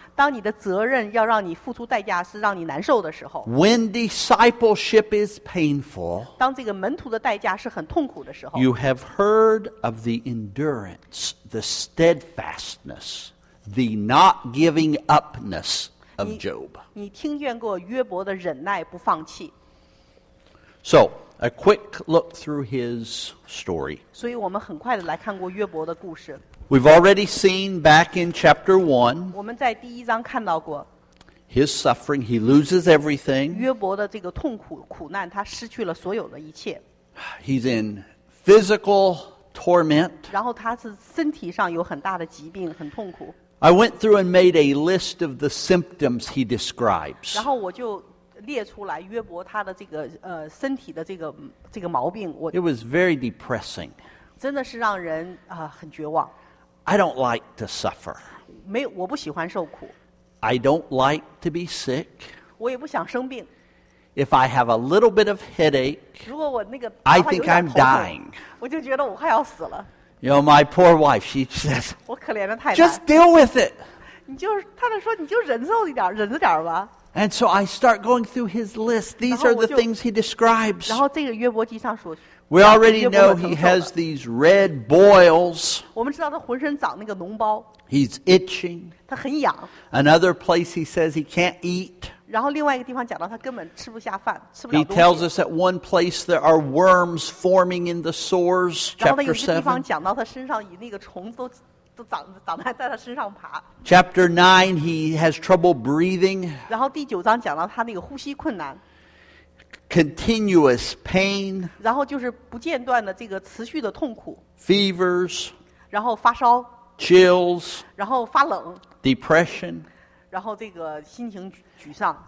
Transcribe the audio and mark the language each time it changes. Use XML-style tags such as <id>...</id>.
<zh>当你的责任要让你付出代价是让你难受的时候</zh> <en>When discipleship is painful</en> <zh>当这个门徒的代价是很痛苦的时候</zh> <en>You have heard of the endurance, the steadfastness, the not giving upness of Job</en> <zh>你听见过约伯的忍耐不放弃</zh> <en>So, a quick look through his story</en> <zh>所以我们很快地来看过约伯的故事</zh> <en>We've already seen back in chapter 1,</en> <zh>我们在第一章看到过</zh> <en>his suffering, he loses everything.</en> <zh>约伯的这个痛苦苦难他失去了所有的一切</zh> <en>He's in physical torment.</en> <zh>然后他是身体上有很大的疾病很痛苦</zh> <en>I went through and made a list of the symptoms he describes.</en> <zh>然后我就列出来约伯他的这个身体的这个毛病</zh> <en>It was very depressing.</en> <zh>真的是让人很绝望</zh> <en>I don't like to suffer.</en> <zh>我不喜欢受苦。</zh> <en>I don't like to be sick.</en> <zh>我也不想生病。</zh> <en>If I have a little bit of headache,</en> <zh>如果我那个头痛,</zh> <en>I think I'm dying.</en> <zh>我就觉得我快要死了。</zh> <en>You know, my poor wife, she says,</en> <zh>我可怜的太太。</zh> <en>Just deal with it.</en> <zh>你就是，她就说你就忍受一点，忍着点吧。</zh> <en>And so I start going through his list. These are the things he describes.</en> <zh>然后这个约伯记上说。</zh> <en>We already know he has these red boils.</en> <zh>我们知道他浑身长那个脓包。</zh> <en>He's itching.</en> <zh>他很痒。</zh> <en>Another place he says he can't eat.</en> <zh>然后另外一个地方讲到他根本吃不下饭，吃不了东西。</zh> <en>He tells us at one place there are worms forming in the sores. Chapter 7.</en> <zh>然后他有些地方讲到他身上以那个虫子都长在他身上爬。</zh> <en>Chapter 9, he has trouble breathing.</en> <zh>然后第九章讲到他那个呼吸困难。</zh> <en>Continuous pain,</en> <zh>然后就是不间断的这个持续的痛苦</zh> <en>fevers,</en> <zh>然后发烧</zh> <en>chills,</en> <zh>然后发冷</zh> <en>depression,</en> <zh>然后这个心情沮丧</zh>